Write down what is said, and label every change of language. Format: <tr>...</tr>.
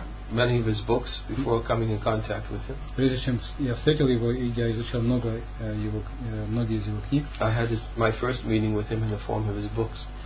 <en>many of his books before coming in contact with him.</en> <ru>Прежде чем я встретил его, я изучал много его, многие из его книг.</ru> <en>I had my first meeting with him in the form of his books.</en>